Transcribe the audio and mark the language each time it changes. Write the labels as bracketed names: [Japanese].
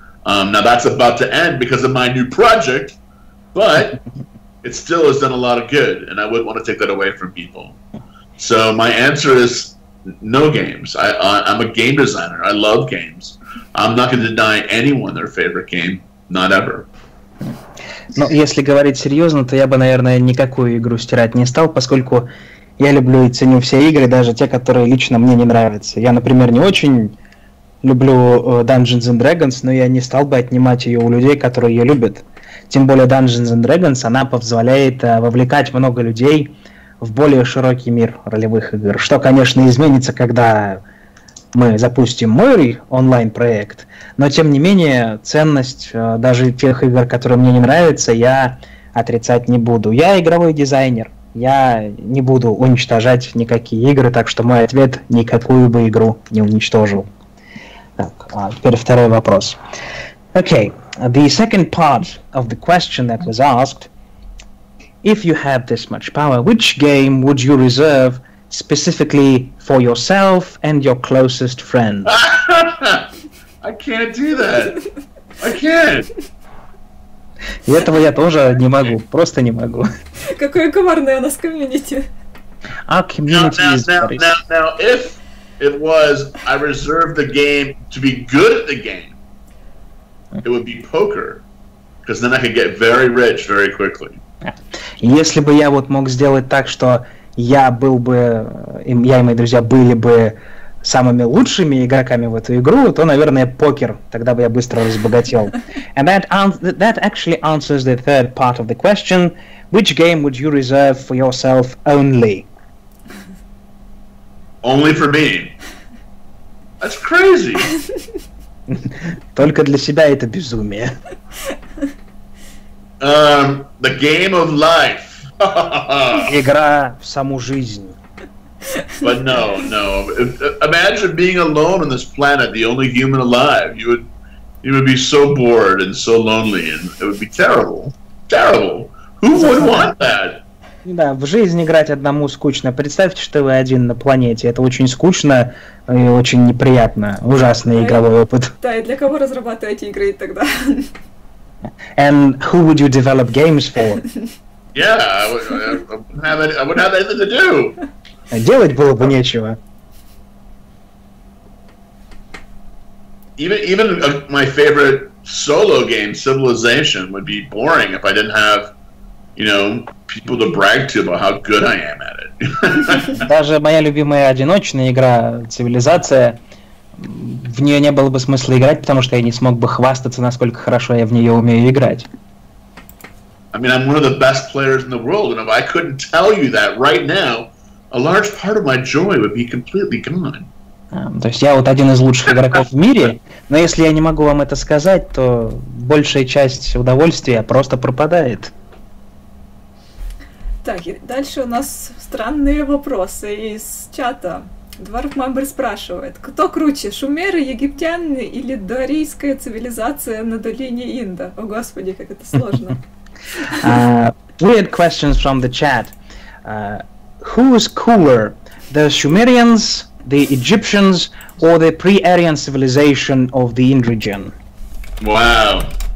[English] Now, that's about to end because of my new project, but it still has done a lot of good, and I wouldn't want to take that away from people. So my answer is no games. I'm a game designer. I love games. I'm not going to deny anyone their favorite game. Not ever. [Russian] Ну, если говорить серьезно, то я бы, наверное, никакую игру стирать не стал, поскольку я люблю и ценю все игры, даже те, которые лично мне не нравятся. Я, например, не очень люблю Dungeons and Dragons, но я не стал бы отнимать ее у людей, которые ее любят. Тем более Dungeons and Dragons, она позволяет вовлекать много людей в более широкий мир ролевых игр. Что, конечно, изменится, когда мы запустим мой онлайн-проект. Но, тем не менее, ценность даже тех игр, которые мне не нравятся, я отрицать не буду. Я игровой дизайнер. Я не буду уничтожать никакие игры, так что мой ответ – никакую бы игру не уничтожил. Так, теперь второй вопрос. [English] Okay, the second part of the question that was asked – if you have this much power, which game would you reserve specifically for yourself and your closest friends? I can't do that. I can't. [Russian] И этого я тоже не могу. Просто не могу. Какое коварное у нас комьюнити. [English] Our community now, is now, now, now, if it was, I reserve the game to be good at the game, it would be poker. Because then I could get very rich very quickly. [Russian] Если бы я вот мог сделать так, что я был бы, я и мои друзья были бы самыми лучшими игроками в эту игру, то, наверное, покер. Тогда бы я быстро разбогател. [English] And that actually answers the third part of the question. Which game would you reserve for yourself only? Only for me. That's crazy. [Russian] Только для себя это безумие. [English] The game of life. [Russian] Игра в саму жизнь. [English] But no. Imagine being alone on this planet, the only human alive. You would be so bored and so lonely, and it would be terrible. Terrible. Who would want that? [Russian] Да, в жизнь играть одному скучно. Представьте, что вы один на планете. Это очень скучно и очень неприятно. Ужасный игровой опыт. Да, и для кого разрабатываете игры тогда? [English] And who would you develop games for? Yeah, I wouldn't have anything to do. [Russian] Делать было бы нечего. [English] Even my favorite solo game, Civilization, would be boring if I didn't have, you know, people to brag to about how good I am at it. [Russian] Даже моя любимая одиночная игра, Цивилизация, в нее не было бы смысла играть, потому что я не смог бы хвастаться, насколько хорошо я в нее умею играть. [English] I mean, I'm one of the best players in the world, and if I couldn't tell you that right now, a large part of my joy would be completely gone. [Russian] То есть я вот один из лучших игроков в мире, но если я не могу вам это сказать, то большая часть удовольствия просто пропадает. Так, дальше у нас странные вопросы из чата. Дварф Мамбер спрашивает, кто круче, шумеры, египтяне или дарийская цивилизация на долине Инда? О, Господи, как это сложно. [English] Weird questions from the chat. Who is cooler, the Sumerians, the Egyptians, or the pre-Aryan civilization of the Ind region? Wow.